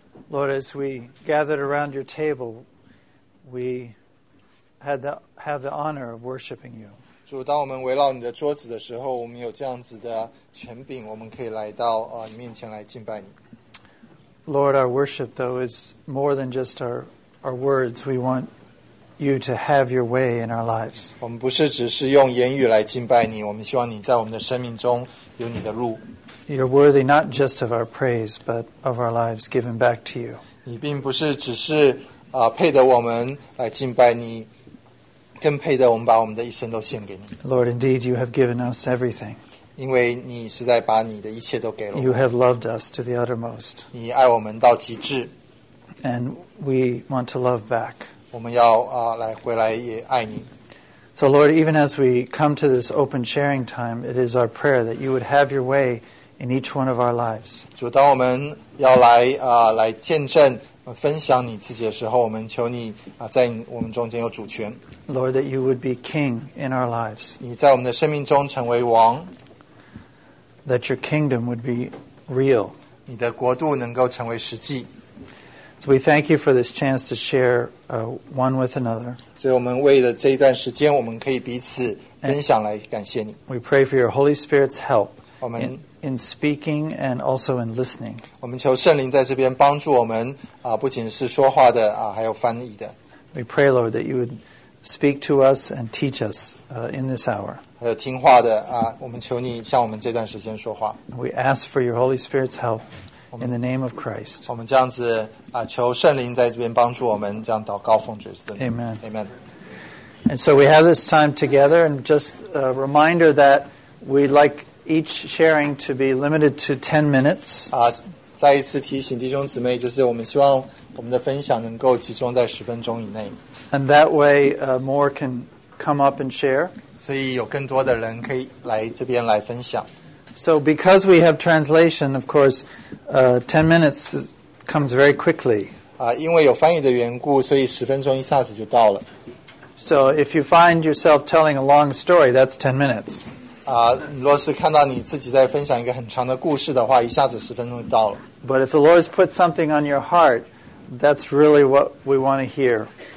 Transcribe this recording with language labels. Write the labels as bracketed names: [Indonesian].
[English] Lord, as we gathered around your table, we have the honor of worshiping you. [Chinese] 主, 当我们围绕你的桌子的时候, 我们有这样子的权柄, 我们可以来到, 你面前来敬拜你。 [English] Lord, our worship, though, is more than just our words. We want you to have your way in our lives. [Chinese] 我们不是只是用言语来敬拜你, 我们希望你在我们的生命中有你的路。 [English] You're worthy not just of our praise, but of our lives given back to you. [Chinese] 你并不是只是, 配得我们来敬拜你, 更配得我们把我们的一生都献给你。 [English] Lord, indeed, you have given us everything. [Chinese] 因为你实在把你的一切都给了我们。 [English] You have loved us to the uttermost. [Chinese] 你爱我们到极致。 [English] And we want to love back. [Chinese] 我们要, 来回来也爱你。 [English] So Lord, even as we come to this open sharing time, it is our prayer that you would have your way in each one of our lives. [Chinese] 主, 当我们要来, 来见证, 分享你自己的时候, 我们求你, 在我们中间有主权。 [English] Lord, that you would be king in our lives. [Chinese] 你在我们的生命中成为王。 [English] That your kingdom would be real. [Chinese] 你的国度能够成为实际。 [English] So we thank you for this chance to share one with another. [Chinese] 所以我们为了这一段时间, 我们可以彼此分享来感谢你。 [English] We pray for your Holy Spirit's help. [Chinese] 我们 [English] In speaking and also in listening. [Chinese] 我们求圣灵在这边帮助我们, 不仅是说话的, 还有翻译的。 [English] We pray, Lord, that you would speak to us and teach us in this hour. [Chinese] 还有听话的, 我们求你向我们这段时间说话。 [English] We ask for your Holy Spirit's help in the name of Christ. [Chinese] 我们这样子, 求圣灵在这边帮助我们, 这样祷告奉主的名。 [English] Amen. Amen. And so we have this time together, and just a reminder that we'd like each sharing to be limited to 10 minutes. [Chinese] 再一次提醒弟兄姊妹, 就是我们希望我们的分享能够集中在10分钟以内。 [English] And that way, more can come up and share. [Chinese] 所以有更多的人可以来这边来分享。 [English] So because we have translation, of course, 10 minutes comes very quickly. [Chinese] 因为有翻译的缘故, 所以10分钟一下子就到了。 [English] So if you find yourself telling a long story, that's 10 minutes. [Chinese] 如果是看到你自己在分享一个很长的故事的话, 一下子10分钟就到了。 [English] But if the Lord has put something on your heart, that's really what we want to hear.